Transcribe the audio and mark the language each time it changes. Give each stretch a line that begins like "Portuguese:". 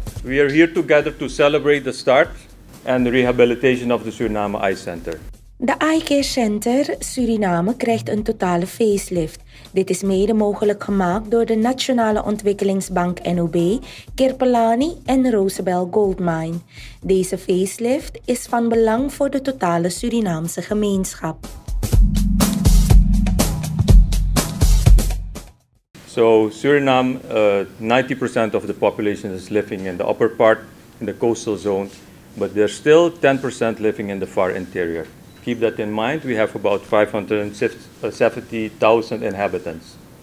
English: We are here together to celebrate the start and the rehabilitation of the Suriname Eye Centre.
Dutch: De Eye Care Center Suriname krijgt een totale facelift. Dit is mede mogelijk gemaakt door de Nationale Ontwikkelingsbank NOB, Kirpelani en Rosebel Goldmine. Deze facelift is van belang voor de totale Surinaamse gemeenschap.
English: So Suriname, 90% of the population is living in the upper part, in the coastal zone, but there's still 10% living in the far interior. Keep that in mind, we have about 570,000 inhabitants.